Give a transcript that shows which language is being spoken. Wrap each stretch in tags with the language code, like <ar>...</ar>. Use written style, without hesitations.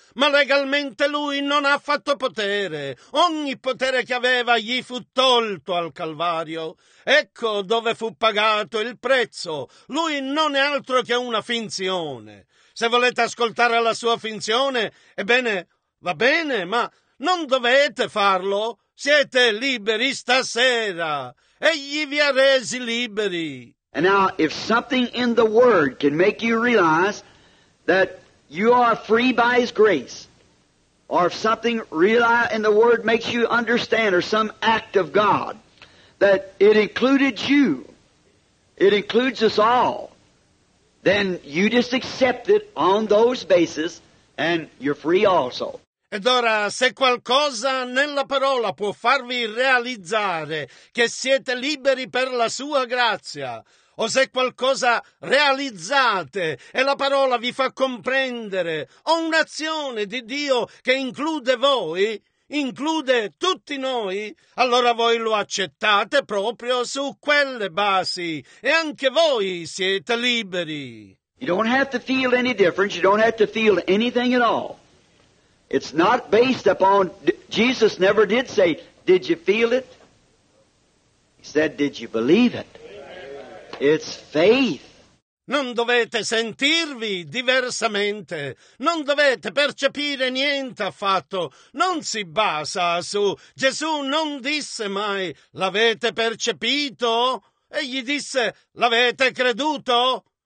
<it>Ma legalmente lui non ha fatto potere. Ogni potere che aveva gli fu tolto al Calvario. Ecco dove fu pagato il prezzo. Lui non è altro che una finzione. Se volete ascoltare la sua finzione, ebbene, va bene, ma non dovete farlo. Siete liberi stasera. Egli vi ha resi liberi.</it> <en>And now, if something in the Word can make you realize that you are free by His grace, or if something in the Word makes you understand, or some act of God, that it included you, it includes us all, then you just accept it on those bases, and you're free also.</en> <it>Ed ora, se qualcosa nella parola può farvi realizzare che siete liberi per la sua grazia, o se qualcosa realizzate e la parola vi fa comprendere, o un'azione di Dio che include voi, include tutti noi, allora voi lo accettate proprio su quelle basi e anche voi siete liberi.</it> <en>You don't have to feel any difference, you don't have to feel anything at all. It's not based upon, Jesus never did say, did you feel it? He said, did you believe it? It's faith.</en> <it>Non dovete sentirvi diversamente. Non dovete percepire niente affatto. Non si basa su, Gesù non disse mai, l'avete percepito? Egli disse, l'avete creduto?</it>